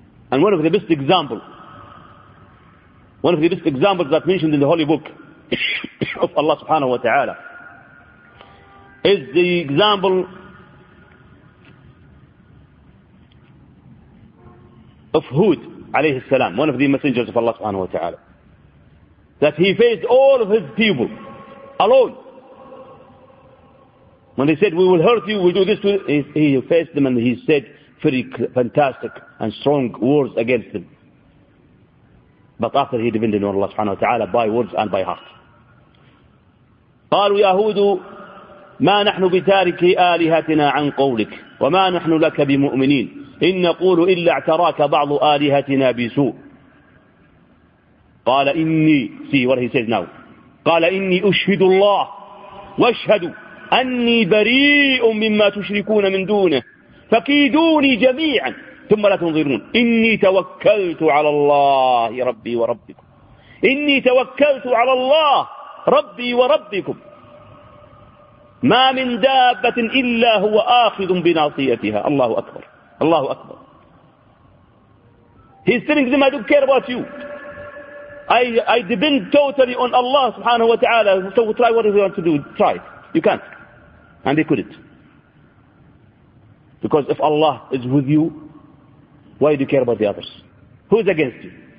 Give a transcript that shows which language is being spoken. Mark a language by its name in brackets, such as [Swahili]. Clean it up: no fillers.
[English] And one of the best examples, one of the best examples that mentioned in the Holy Book of Allah subhanahu wa ta'ala is the example of Hud alayhi salam, one of the messengers of Allah subhanahu wa ta'ala, that he faced all of his people alone. When they said, "We will hurt you, we'll do this to you," he faced them and he said very fantastic and strong words against them. But after he depended on Allah subhanahu wa ta'ala by words and by heart. [Arabic] قالوا يا هود ما نحن بتارك آلهتنا عن قولك وما نحن لك بمؤمنين إن نقول إلا اعتراك بعض آلهتنا بسوء. قال إني [English] see what he says now. [Arabic] قال إني أشهد الله واشهد أني بريء مما تشركون من دونه فكيدوني جميعا ثم لا تنظرون إني توكلت على الله ربي وربكم إني توكلت على الله ربي وربكم ما من دابة إلا هو آخذ بناصيتها. الله أكبر الله أكبر. [English] He's telling them, I don't care about you, I depend totally on Allah subhanahu wa ta'ala, so try whatever you want to do, try it. You can't. And they couldn't. Because if Allah is with you, why do you care about the others? Who's against you?